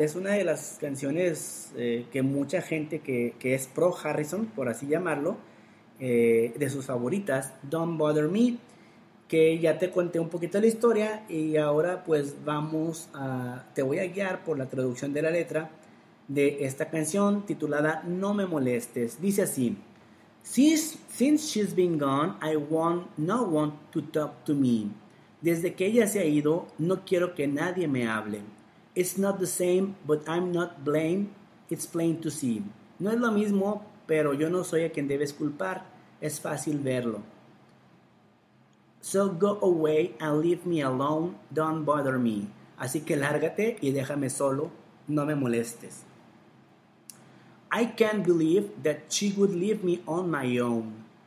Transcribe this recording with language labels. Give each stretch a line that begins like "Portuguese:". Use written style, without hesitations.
Spanish: Es una de las canciones que mucha gente que es pro Harrison, por así llamarlo, de sus favoritas, Don't Bother Me, que ya te conté un poquito la historia, y ahora pues vamos a, te voy a guiar por la traducción de la letra de esta canción titulada No Me Molestes. Dice así:
English: since she's been gone, I want no one to talk to me.
Spanish: Desde que ella se ha ido, no quiero que nadie me hable.
English: It's not the same, but I'm not blamed. It's plain to see.
Spanish: No es lo mismo, pero yo no soy a quien debes culpar. Es fácil verlo.
English: So go away and leave me alone. Don't bother me.
Spanish: Así que lárgate y déjame solo. No me molestes.
English: I can't believe that she would leave me on my own.